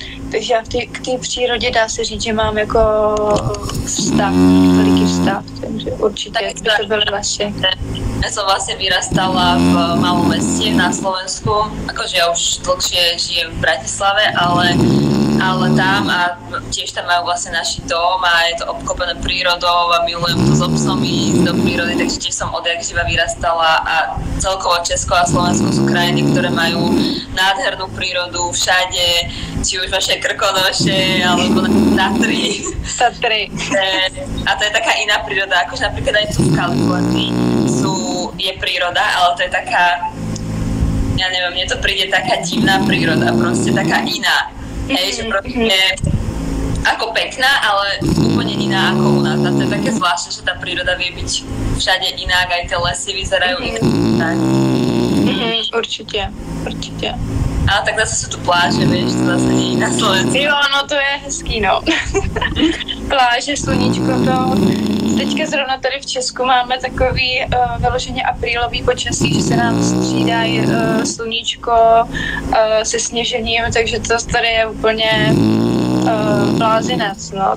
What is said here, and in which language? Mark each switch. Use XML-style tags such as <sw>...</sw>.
<cs>Takže já k té přírodě dá se říct, že mám jako vztah, veliký vztah, takže určitě tak by to byly lesy.</cs> <sk>Ja som vlastne vyrastala v malom meste na Slovensku, akože ja už dlhšie žijem v Bratislave, ale tam a tiež tam majú vlastne naši dom a je to obklopené prírodou a milujem to so psom ísť do prírody, takže tiež som odjakživa vyrastala a celkovo Česko a Slovensko sú krajiny, ktoré majú nádhernú prírodu všade, či už vaše Krkonoše alebo Tatry. Tatry. A to je taká iná príroda, akože napríklad aj tu v Kalifornii. Je príroda, ale to je taká, ja neviem, mne to príde taká divná príroda, proste taká iná. Hej, že proste ako pekná, ale úplne iná ako u nás. A to je také zvláštne, že tá príroda vie byť všade inak, aj tie lesy vyzerajú inak. Určite, určite. Ale tak zase sú tu pláže, vieš, to zase nie je na Slovensku.</sk> <cs>Jo, no to je hezký, no. Pláže, sluníčko, to... Teďka zrovna tady v Česku máme takový vyloženě aprílový počasí, že se nám střídají sluníčko se sněžením, takže to tady je úplně blázinec, no.</cs>